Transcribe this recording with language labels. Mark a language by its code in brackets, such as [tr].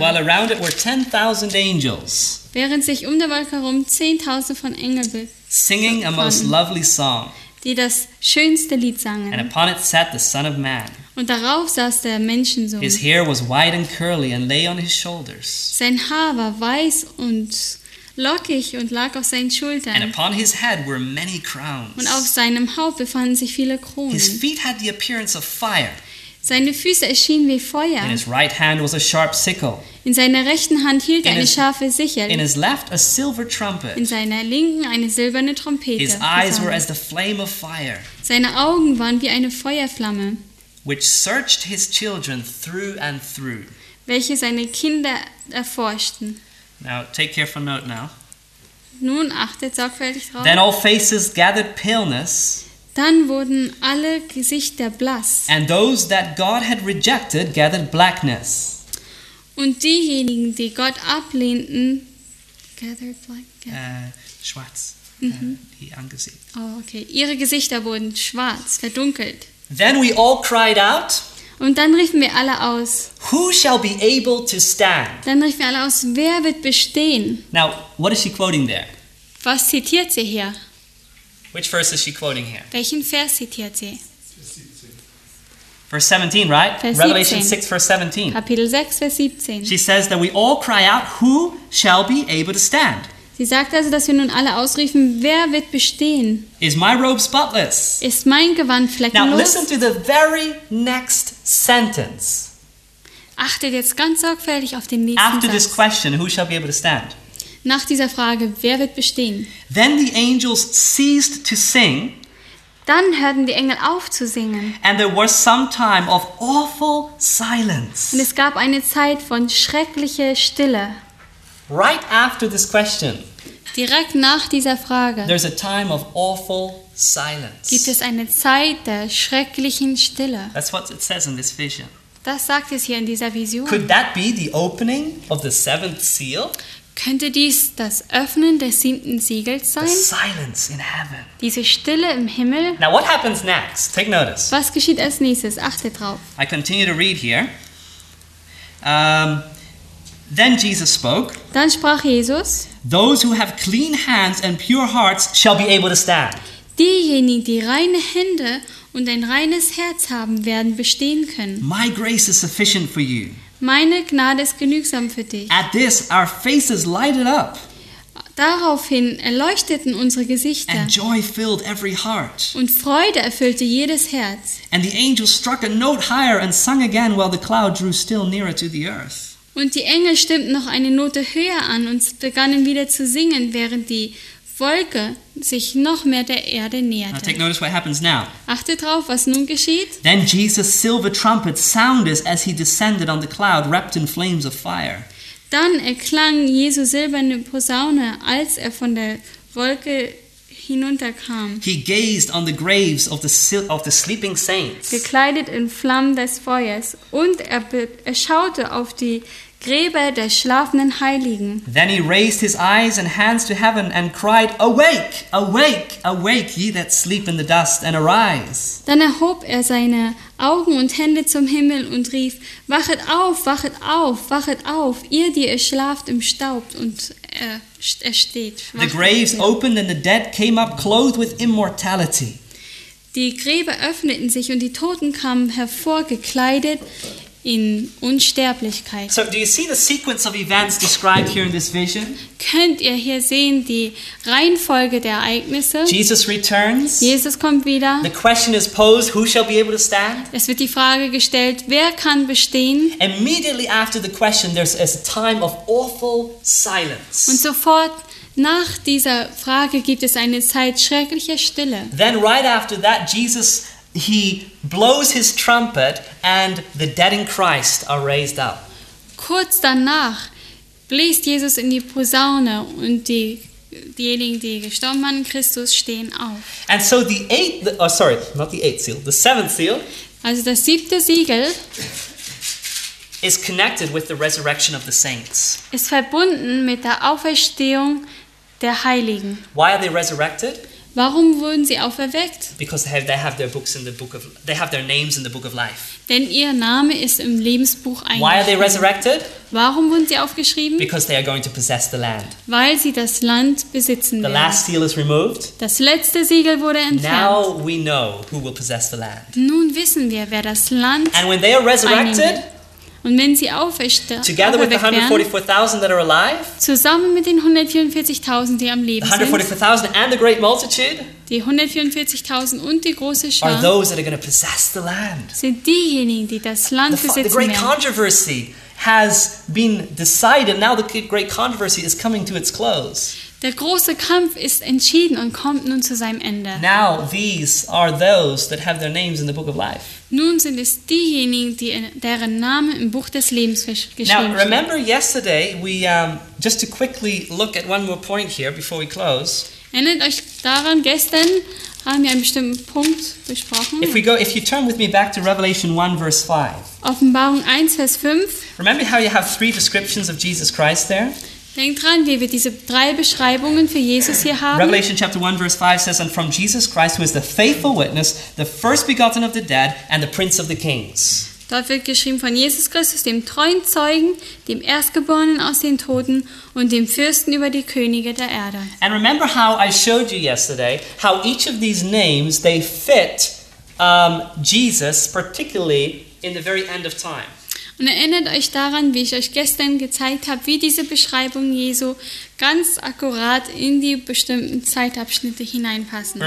[en] "While around it were 10,000 angels." [de] Während sich um der Wolke herum 10,000 von Engeln befanden. [en] "Singing a most lovely song." [de] Die das schönste Lied sangen. [en] "And upon it sat the Son of Man." [de] Und darauf saß der Menschensohn. [en] "His hair was white and curly and lay on his shoulders." [de] Sein Haar war weiß und lockig und lag auf seinen Schultern. [en] "And upon his head were many crowns." [de] Und auf seinem Haupt befanden sich viele Kronen. [en] "His feet had the appearance of fire." [de] Seine Füße erschienen wie Feuer. [en] "In his right hand was a sharp sickle." [de] In seiner rechten Hand hielt er eine scharfe Sichel. [en] "In his left a silver trumpet." [de] In seiner linken eine silberne Trompete. [en] "His eyes were as the flame of fire." [de] Seine Augen waren wie eine Feuerflamme. [en] "Which searched his children through and through." [de] Welche seine Kinder erforschten. [en] Now take careful note now. [de] Nun achtet sorgfältig drauf. [en] "Then all faces gathered paleness." [de] Dann wurden alle Gesichter blass. [en] "And those that God had rejected gathered blackness." [de] Und diejenigen, die Gott ablehnten, [en] gathered blackness. [de] Schwarz. Die Angesicht. [en] Oh, okay. [de] Ihre Gesichter wurden schwarz, verdunkelt. [en] "Then we all cried out." [de] Und dann riefen wir alle aus. [en] "Who shall be able to stand?" [de] Dann riefen wir alle aus, wer wird bestehen? [en] Now, what is she quoting there? [de] Was zitiert sie hier? [en] Which verse is she quoting here? [de] Welchen Vers zitiert sie? [en] Verse 17, right? [de] Vers [en] Revelation 6, verse 17. [de] Kapitel 6, Vers 17. [en] She says that we all cry out, "Who shall be able to stand?" [de] Sie sagt also, dass wir nun alle ausriefen, wer wird bestehen? [en] "Is my robe spotless?" [de] Ist mein Gewand fleckenlos? [en] Now listen to the very next sentence. [de] Achtet jetzt ganz sorgfältig auf den nächsten [en] After [de] Satz. [en] After this question, who shall be able to stand? [de] Nach dieser Frage, wer wird bestehen? [en] "Then the angels ceased to sing." [de] Dann hörten die Engel auf zu singen. [en] "And there was some time of awful silence." [de] Und es gab eine Zeit von schrecklicher Stille. [en] Right after this question. [de] Direkt nach dieser Frage. [en] There's a time of awful silence. [de] Gibt es eine Zeit der schrecklichen Stille? [en] That's what it says in this vision. [de] Das sagt es hier in dieser Vision. [en] Could that be the opening of the seventh seal? [de] Könnte dies das Öffnen des siebten Siegels sein? [en] The silence in heaven. [de] Diese Stille im Himmel. [en] Now what happens next? Take notice. [de] Was geschieht als nächstes? Achte drauf. [en] I continue to read here. Then Jesus spoke. [de] Dann sprach Jesus. [en] "Those who have clean hands and pure hearts shall be able to stand." [de] Diejenigen, die reine Hände und ein reines Herz haben, werden bestehen können. [en] "My grace is sufficient for you." [de] Meine Gnade ist genügsam für dich. [en] At this, our faces lighted up. [de] Daraufhin erleuchteten unsere Gesichter. [en] And joy filled every heart. [de] Und Freude erfüllte jedes Herz. [en] And the angels struck a note higher and sung again while the cloud drew still nearer to the earth. [de] Und die Engel stimmten noch eine Note höher an und begannen wieder zu singen, während die Wolke sich noch mehr der Erde näherte. [en] Now take notice what happens now. [de] Achte drauf, was nun geschieht. [en] Then Jesus' silver trumpet sounded as he descended on the cloud, wrapped in flames of fire. [de] Dann erklang Jesu silberne Posaune, als er von der Wolke hinunterkam. [en] He gazed on the graves of the sleeping saints. [de] Gekleidet in Flammen des Feuers, und er schaute auf die Gräber der schlafenden Heiligen. [en] Then he raised his eyes and hands to heaven and cried, "Awake, awake, awake, ye that sleep in the dust, and arise." [de] Dann erhob er seine Augen und Hände zum Himmel und rief, "Wachet auf, wachet auf, wachet auf, ihr, die ihr schlaft im Staub und ersteht." [en] The graves opened and the dead came up clothed with immortality. [de] Die Gräber öffneten sich und die Toten kamen hervorgekleidet in Unsterblichkeit. [en] So, do you see the sequence of events described here in this vision? [de] Könnt ihr hier sehen die Reihenfolge der Ereignisse? [en] Jesus returns. [de] Jesus kommt wieder. [en] The question is posed, who shall be able to stand? [de] Es wird die Frage gestellt, wer kann bestehen? [en] Immediately after the question, there's a time of awful silence. [de] Und sofort nach dieser Frage gibt es eine Zeit schrecklicher Stille. [en] Then right after that, Jesus, he blows his trumpet and the dead in Christ are raised up. [de] Kurz danach bläst Jesus in die Posaune und diejenigen, die gestorben waren in Christus, stehen auf. [en] And so the eighth, oh sorry, not the eighth seal, the seventh seal. [de] Also das siebte Siegel [en] is connected with the resurrection of the saints. [de] Ist verbunden mit der Auferstehung der Heiligen. [en] Why are they resurrected? [de] Warum wurden sie auferweckt? [en] Because they have their books in the book of, they have their names in the book of life. [de] Denn ihr Name ist im Lebensbuch eingeschrieben. [en] Why are they resurrected? [de] Warum wurden sie aufgeschrieben? [en] Because they are going to possess the land. [de] Weil sie das Land besitzen [en] the [de] werden. [en] The last seal is removed. [de] Das letzte Siegel wurde entfernt. [en] Now we know who will possess the land. [de] Nun wissen wir, wer das Land. [en] And when they are resurrected, [de] und wenn sie auferweckt werden, [en] together with the 144,000 that are alive, [de] zusammen mit den 144,000, die am Leben sind, [en] 144,000 and the great multitude, [de] die 144,000 und die große Schar, [en] are those that are going to possess the land. [de] Sind diejenigen, die das Land besitzen werden. [en] The great controversy has been decided. Now the great controversy is coming to its close. [de] Der große Kampf ist entschieden und kommt nun zu seinem Ende. [en] Now these are those that have their names in the book of life. [de] Nun sind es diejenigen, die deren Namen im Buch des Lebens geschrieben sind. [en] Now remember yesterday we just to quickly look at one more point here before we close. [de] Erinnert euch daran, gestern haben wir einen bestimmten Punkt besprochen. [en] If you turn with me back to Revelation 1 verse 5. [de] Offenbarung 1 Vers 5. [en] Remember how you have three descriptions of Jesus Christ there? [de] Denkt dran, wie wir diese drei Beschreibungen für Jesus hier haben. [en] Revelation chapter 1 verse 5 says, "And from Jesus Christ, who is the faithful witness, the first begotten of the dead, and the prince of the kings." [de] Dort wird geschrieben von Jesus Christus, dem treuen Zeugen, dem Erstgeborenen aus den Toten und dem Fürsten über die Könige der Erde. [en] And remember how I showed you yesterday how each of these names they fit Jesus particularly in the very end of time. [de] Und erinnert euch daran, wie ich euch gestern gezeigt habe, wie diese Beschreibung Jesu ganz akkurat in die bestimmten Zeitabschnitte hineinpassen.